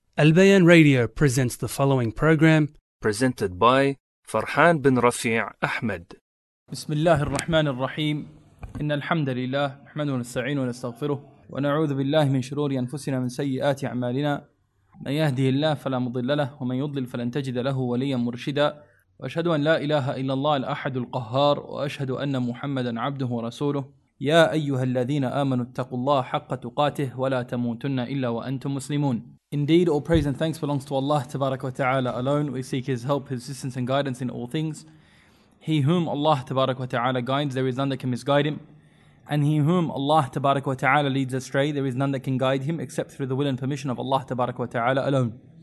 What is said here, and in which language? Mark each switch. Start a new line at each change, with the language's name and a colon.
English: البيان radio presents the following program presented by فرحان بن رفيع أحمد.
Arabic: بسم الله الرحمن الرحيم. إن الحمد لله نحمده ونستعينه ونستغفره ونعوذ بالله من شرور أنفسنا من سيئات أعمالنا، من يهده الله فلا مضل له ومن يضلل فلن تجد له وليا مرشدا. وأشهد أن لا إله إلا الله الأحد القهار، وأشهد أن محمدا عبده ورسوله. يا أيها الذين آمنوا اتقوا الله حق تقاته ولا تموتن إلا وأنتم مسلمون.
English: Indeed, all praise and thanks belongs to Allah tabarak wa ta'ala alone. We seek His help, His assistance and guidance in all things. He whom Allah tabarak wa ta'ala guides, there is none that can misguide him. And he whom Allah tabarak wa ta'ala leads astray, there is none that can guide him except through the will and permission of Allah tabarak wa ta'ala alone.